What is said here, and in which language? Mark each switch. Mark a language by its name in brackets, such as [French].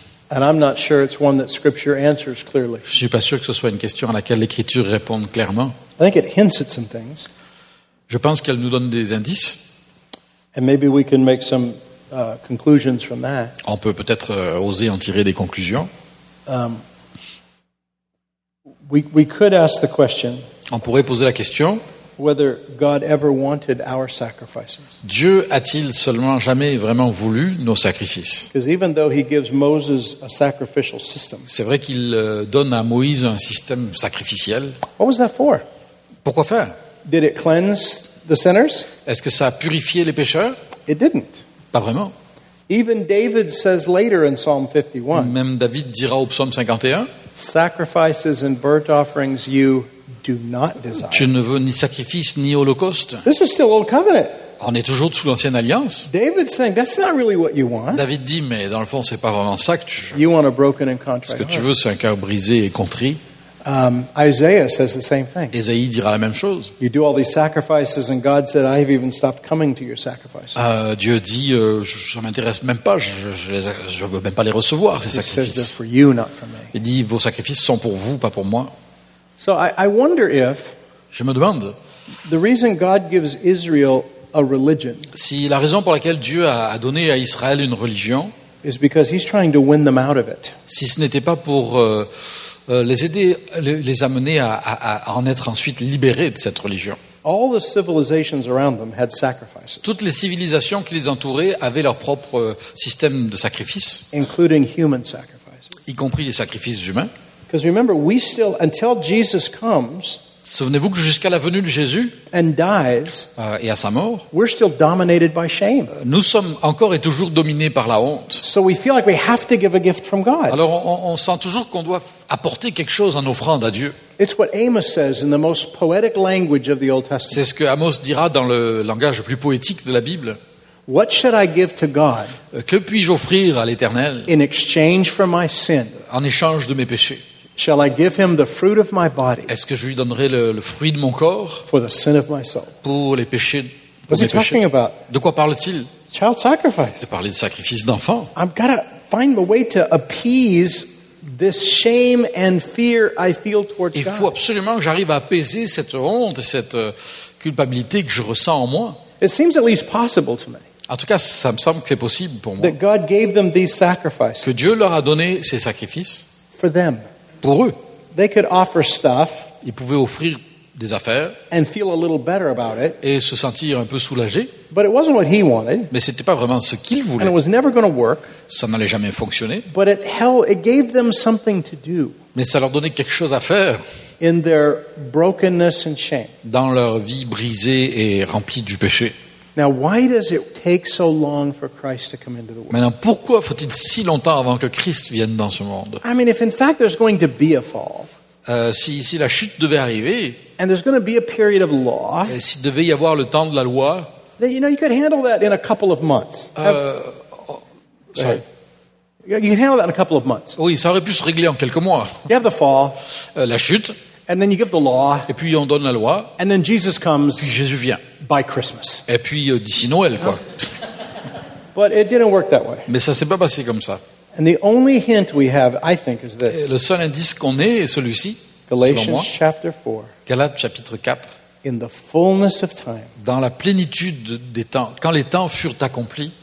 [English] And I'm not sure it's one that Scripture answers clearly. [French] Je ne suis pas sûr que ce soit une question à laquelle l'Écriture réponde clairement. [English] I think it hints at some things. [French] Je pense qu'elle nous donne des indices. [English] And maybe we can make some conclusions from that. [French] On peut peut-être oser en tirer des conclusions. [English] We could ask the question. [French] On pourrait poser la question. [English] Whether God ever wanted our sacrifices. [French] Dieu a-t-il seulement jamais vraiment voulu nos sacrifices? [English] Because even though he gives Moses a sacrificial system. [French] C'est vrai qu'il donne à Moïse un système sacrificiel. [English] What was that for? [French] Pourquoi faire? [English] Did it cleanse the sinners? [French] Est-ce que ça a purifié les pécheurs? [English] It didn't. [French] Pas vraiment. [English] Even David says later in Psalm 51. [French] Même David dira au psaume 51. [English] Sacrifices and burnt offerings you do not desire. [French] Tu ne veux ni sacrifice ni holocauste. [English] This is still old covenant. [French] On est toujours sous l'ancienne alliance. [English] David saying that's not really what you want. [French] David dit mais dans le fond c'est pas vraiment ça que tu veux. [English] You want a broken and contrite. [French] Ce que tu veux c'est un cœur brisé et contrit. [English] Isaiah says the same thing. [French] Isaïe dira la même chose. [English] You do all these sacrifices, and God said, "I have even stopped coming to your sacrifices." [French] Dieu dit, je m'intéresse même pas, je veux même pas les recevoir ces sacrifices. [English] He says they're for you, not for me. [French] Il dit, vos sacrifices sont pour vous, pas pour moi. [English] So I wonder if. [French] Je me demande. [English] The reason God gives Israel a religion. [French] Si la raison pour laquelle Dieu a donné à Israël une religion. [English] Is because he's trying to win them out of it. [French] Si ce n'était pas pour les aider, les amener à en être ensuite libérés de cette religion. [English] All the civilizations around them had sacrifices. [French] Toutes les civilisations qui les entouraient avaient leur propre système de sacrifice, [English] including human sacrifices. [French] Y compris les sacrifices humains. [English] Because remember, we still, until Jesus comes, [French] souvenez-vous que jusqu'à la venue de Jésus [English] and dies, [French] et à sa mort, [English] we're still dominated by shame. [French] Nous sommes encore et toujours dominés par la honte. [English] So we feel like we have to give a gift from God. [French] Alors on sent toujours qu'on doit apporter quelque chose en offrande à Dieu. [English] It's what Amos says in the most poetic language of the Old Testament. [French] C'est ce que Amos dira dans le langage le plus poétique de la Bible. [English] What should I give to God? [French] Que puis-je offrir à l'Éternel? [English] In exchange for my sin. [French] En échange de mes péchés. [English] Shall I give him the fruit of my body? [French] Est-ce que je lui donnerai le fruit de mon corps? [English] For the sin of my soul. [French] Pour les péchés de mon [English] corps. What is he talking about? [French] De quoi parle-t-il? [English] Child sacrifice. [French] De parler de sacrifice d'enfant. [English] I've got to find a way to appease this shame and fear I feel towards God. [French] Il faut absolument que j'arrive à apaiser cette honte et cette culpabilité que je ressens en moi. [English] It seems at least possible to me. [French] En tout cas, ça me semble que c'est possible pour moi. [English] That God gave them these sacrifices. [French] Que Dieu leur a donné ces sacrifices. [English] For them. [French] Pour eux. [English] They could offer stuff. [French] Ils pouvaient offrir des affaires. [English] And feel a little better about it. [French] Et se sentir un peu soulagé. [English] But it wasn't what he wanted. [French] Mais c'était pas vraiment ce qu'il voulait. [English] And it was never going to work. [French] Ça n'allait jamais fonctionner. [English] But it held, it gave them something to do. [French] Mais ça leur donnait quelque chose à faire. [English] In their brokenness and shame. [French] Dans leur vie brisée et remplie du péché. [English] Now, why does it take so long for Christ to come into the world? [French] Maintenant, pourquoi faut-il si longtemps avant que Christ vienne dans ce monde? [English] I mean, if in fact there's going to be a fall. [French] Si la chute devait arriver. [English] And there's going to be a period of law. [French] Et s'il devait y avoir le temps de la loi. [English] Then, you know, you could handle that in a couple of months. You can handle that in a couple of months. [French] Oui, ça aurait pu se régler en quelques mois. [English] You have the fall. [French] La chute. [English] And then you give the law. [French] Et puis on donne la loi. [English] And then Jesus comes. [French] Puis Jésus vient. [English] By Christmas. [French] Et puis d'ici Noël, quoi. [English] But it didn't work that way. [French] Mais ça s'est pas passé comme ça. [English] And the only hint we have, I think, is this. [French] Le seul indice qu'on ait est celui-ci. [English] Galatians chapter 4. [French] Galates chapitre 4. [English] In the fullness of time. [French] Dans la plénitude des temps, quand les temps furent accomplis.